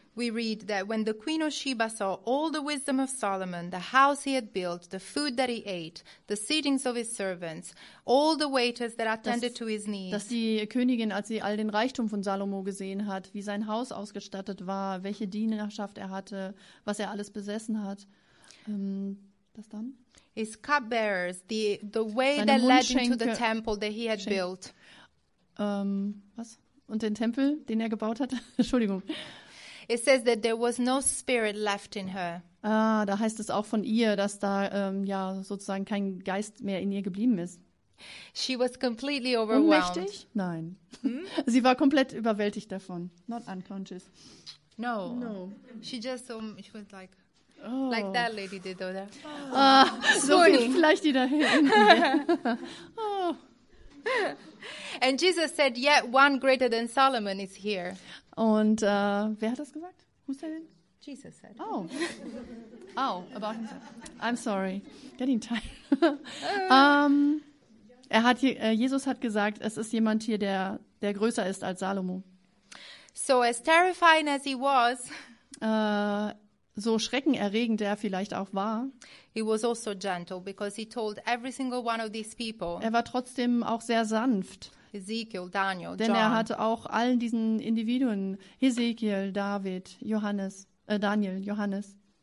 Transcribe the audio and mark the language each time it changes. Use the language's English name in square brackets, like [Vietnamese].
[English] We read that when the Queen of Sheba saw all the wisdom of Solomon, the house he had built, the food that he ate, the sittings of his servants, all the waiters that attended to his needs. [German] Dass die Königin, als sie all den Reichtum von Salomo gesehen hat, wie sein Haus ausgestattet war, welche Dienerschaft er hatte, was er alles besessen hat. Das dann? [English] His cupbearers, the way that led him to the temple that he had built. [German] Was? Und den Tempel, den er gebaut hat? Entschuldigung. [English] It says that there was no spirit left in her. [German] Ah, da heißt es auch von ihr, dass da ja sozusagen kein Geist mehr in ihr geblieben ist. [English] She was completely overwhelmed. [German] Ohnmächtig? Nein. Sie war komplett überwältigt davon. [English] Not unconscious. No. No. She just she was like oh. Like that lady did over there. [German] Ah, so vielleicht die da hinten. [English] And Jesus said, "Yet one greater than Solomon is here." [German] Und wer hat das gesagt? [English] Who said it? Jesus said. Oh. Oh, about himself. I'm sorry. Getting tired. [German] Jesus hat gesagt, es ist jemand hier, der größer ist als Salomo. [English] So as terrifying as he was, [German] so schreckenerregend er vielleicht auch war, [English] he was also gentle because he told every single one of these people. [German] Er war trotzdem auch sehr sanft. [English] Ezekiel, Daniel, [German] denn [English] John. [German] Er hatte auch allen diesen Individuen, Ezekiel, David, Johannes, Daniel, Johannes.